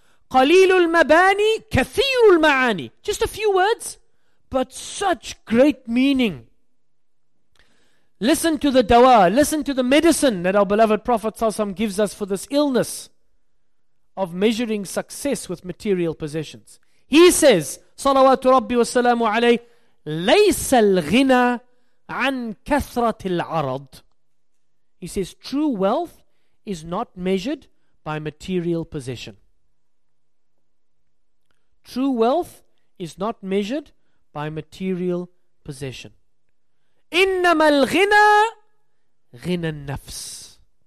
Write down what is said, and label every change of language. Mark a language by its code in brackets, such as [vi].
[ar] Qalilul mabani, kathirul ma'ani. [en] Just a few words, but such great meaning. Listen to the dawa, listen to the medicine that our beloved Prophet sallallahu alaihi wasallam gives us for this illness of measuring success with material possessions. He says, [ar] صلوات ربي والسلام عليه, ليس الغنى عن كثرة العرض. [en] He says, true wealth is not measured by material possession. True wealth is not measured by material possession. [ar] إنما الغنى غنى النفس.